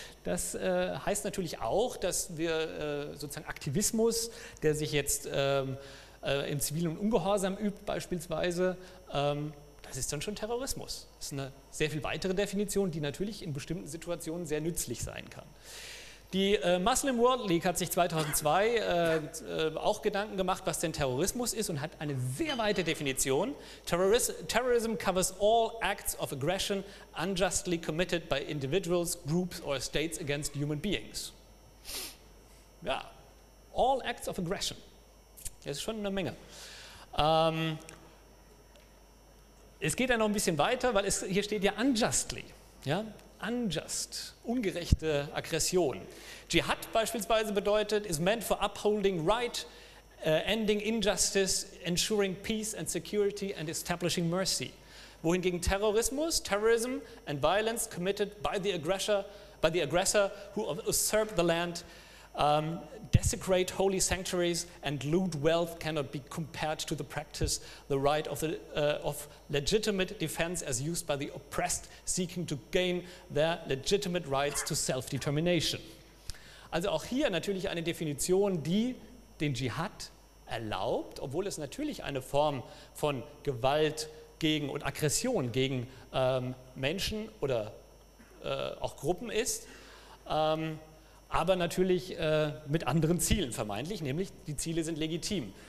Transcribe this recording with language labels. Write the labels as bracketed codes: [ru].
[de] Das heißt natürlich auch, dass wir sozusagen Aktivismus, der sich jetzt im zivilen Ungehorsam übt beispielsweise, das ist dann schon Terrorismus. Das ist eine sehr viel weitere Definition, die natürlich in bestimmten Situationen sehr nützlich sein kann. Die Muslim World League hat sich 2002 auch Gedanken gemacht, was denn Terrorismus ist und hat eine sehr weite Definition. [en] Terrorism covers all acts of aggression unjustly committed by individuals, groups or states against human beings. Ja, all acts of aggression. [de] Das ist schon eine Menge. Es geht dann noch ein bisschen weiter, weil hier steht ja unjustly, ja. Unjust, ungerechte Aggression. Dschihad beispielsweise bedeutet, [en] is meant for upholding right, ending injustice, ensuring peace and security and establishing mercy. [de] Wohingegen Terrorismus, [en] terrorism and violence committed by the aggressor who usurp the land, desecrate holy sanctuaries and loot wealth cannot be compared to the practice, the right of, the, of legitimate defense as used by the oppressed seeking to gain their legitimate rights to self-determination. [de] Also auch hier natürlich eine Definition, die den Dschihad erlaubt, obwohl es natürlich eine Form von Gewalt gegen und Aggression gegen Menschen oder auch Gruppen ist. Aber natürlich mit anderen Zielen vermeintlich, nämlich die Ziele sind legitim.